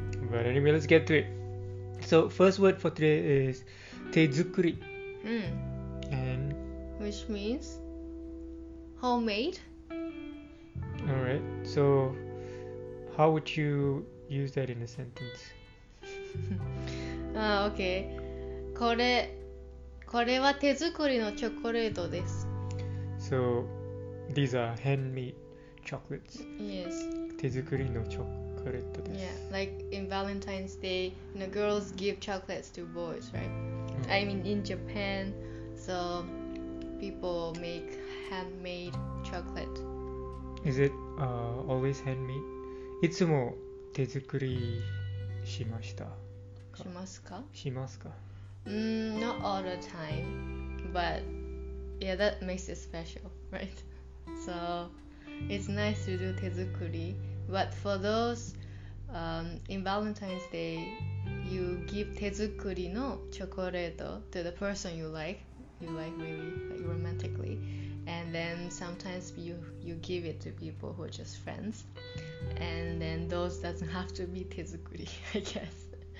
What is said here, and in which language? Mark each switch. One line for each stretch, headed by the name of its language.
English: But anyway, let's get to it. So first word for today is tezukuri. And which means homemade. Alright, so how would you use that in a sentence? okay.
Japanese: これは手作りのチョコレートです。
English: So, these are handmade chocolates. Yes.
Japanese: 手作りのチョコレートです。
English: Yeah, like in Valentine's Day, you know, girls give chocolates to boys, right? Mm-hmm. I mean, in Japan, so people make handmade chocolate. Is it always handmade?
Japanese: いつも手作りしました。しますか? しますか?
English: Not all the time, but yeah, that makes it special, right? So it's nice to do tezukuri, but for those in Valentine's Day, you give tezukuri no chokoreto to the person you like really, like romantically, and then sometimes you give it to people who are just friends, and then those doesn't have to be tezukuri, I guess.